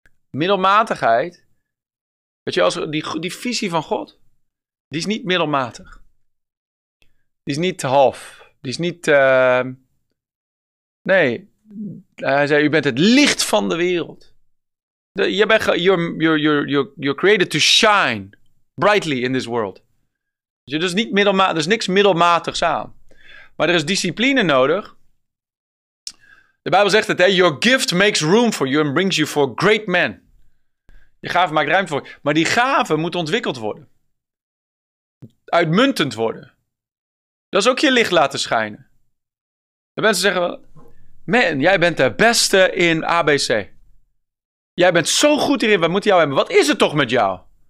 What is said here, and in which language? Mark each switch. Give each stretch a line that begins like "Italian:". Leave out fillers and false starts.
Dutch: Middelmatigheid, weet je, als die visie van God, die is niet middelmatig. Die is niet half. Die is niet. Nee. Hij zei: u bent het licht van de wereld.
English: You're created to shine brightly in this world.
Dutch: Dus niet middelmatig. Er is niks middelmatigs aan. Maar er is discipline nodig. De Bijbel zegt het: hè?
English: Your gift makes room for you and brings you for great men.
Dutch: Je gave maakt ruimte voor je. Maar die gave moet ontwikkeld worden, uitmuntend worden. Dat is ook je licht laten schijnen. De mensen zeggen wel, man, jij bent de beste in ABC. Jij bent zo goed hierin, we moeten jou hebben. Wat is het toch met jou?